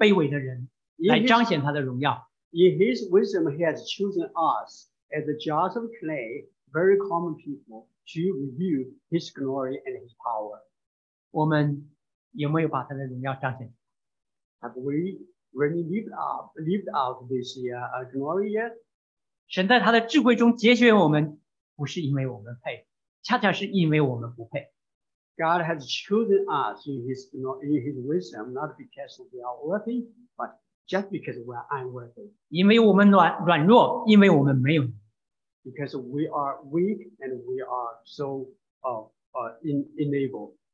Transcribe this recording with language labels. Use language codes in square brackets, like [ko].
[zh] 今天神在他的智慧中节选我们这些卑微的人来彰显他的荣耀。 [en] In his wisdom, he has chosen us as the jars of clay, very common people, to reveal his glory and his power. [zh] 我们有没有把他的荣耀彰显？ [en] Have we really lived out this glory yet? [zh] 神在他的智慧中节选我们不是因为我们配，恰恰是因为我们不配。 [en] God has chosen us in his wisdom, not because we are worthy, but just because we are unworthy. [zh] 因为我们软弱，因为我们没有。 [en] Because we are weak and we are so enabled.